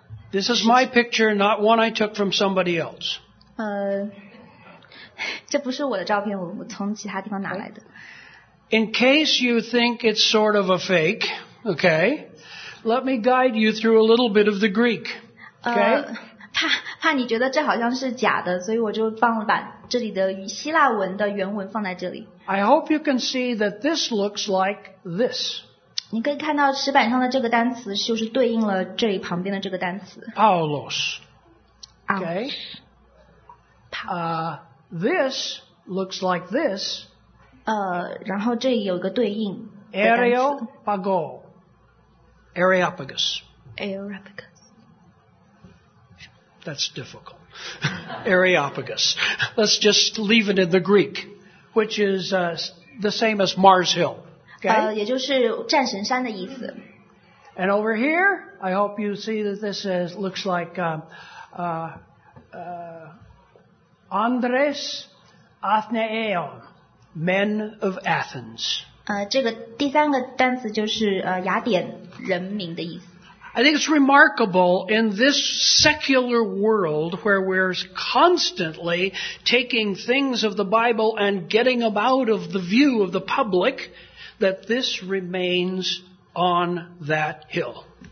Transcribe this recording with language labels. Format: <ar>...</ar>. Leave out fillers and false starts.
<en>This is my picture, not one I took from somebody else.</en> <zh>这不是我的照片 我从其他地方拿来的</zh> <en>In case you think it's sort of a fake, okay, let me guide you through a little bit of the Greek, okay?</en> <zh>怕你觉得这好像是假的，所以我就放把这里的希腊文的原文放在这里。</zh> <en>I hope you can see that this looks like this.</en> <zh>你可以看到石板上的这个单词就是对应了这里旁边的这个单词。</zh> <en>Paulos. Okay. This looks like this.</en> <zh>然后这里有个对应。</zh> <en>Areopagus. Areopagus. That's difficult. Areopagus. Let's just leave it in the Greek, which is the same as Mars Hill. Okay?</en> <zh>也就是战神山的意思。</zh> <en>And over here, I hope you see that this is, looks like</en> <el>Andres Athenaeon,</el> <en>men of Athens.</en> <zh>这个第三个单词就是雅典人民的意思。</zh> <en>I think it's remarkable in this secular world where we're constantly taking things of the Bible and getting them out of the view of the public that this remains on that hill.</en>